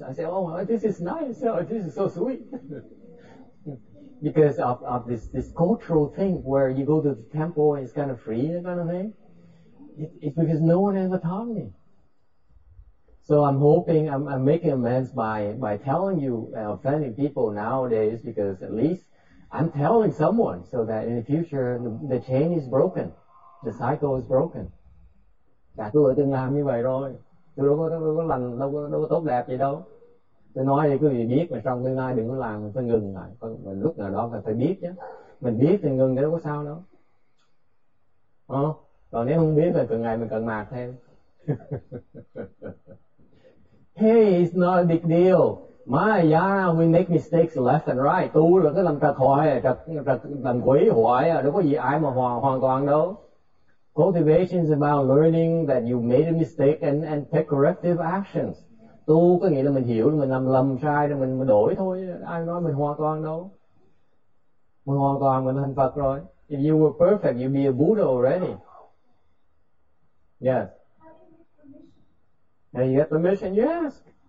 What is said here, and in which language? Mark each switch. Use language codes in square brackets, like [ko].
[en] I say, oh, this is nice. Oh, this is so sweet. Because of this cultural thing where you go to the temple and it's kind of free, that kind of thing. It's because no one ever taught me. So I'm hoping, I'm making amends by telling you, offending people nowadays, because at least I'm telling someone so that in the future the chain is broken. The cycle is broken. [vi] Dạ, tôi ở từng làm như vậy rồi. Tôi đâu có lành, đâu có tốt đẹp gì đâu. Tôi nói thì quý vị biết mà trong tương lai đừng có làm, phải ngừng lại. Mình lúc nào đó phải biết chứ. Mình biết thì ngừng thì đâu có sao đâu. Ờ, còn nếu không biết thì từng ngày mình cần mạt thêm. [en] Hey, it's not a big deal. Mayana, we make mistakes left and right. [vi] Tu là cái làm trật hoại, làm quỷ hoại, đâu có gì ai mà hoàn toàn đâu. [en] Cultivation is about learning that you made a mistake and take corrective actions. [vi] Tu có nghĩa là mình hiểu, mình làm lầm sai, mình đổi thôi. Ai nói mình hoàn toàn đâu. Mình hoàn toàn, mình thành Phật rồi. [en] If you were perfect, you'd be a Buddha already. Yes. And you get permission, yes.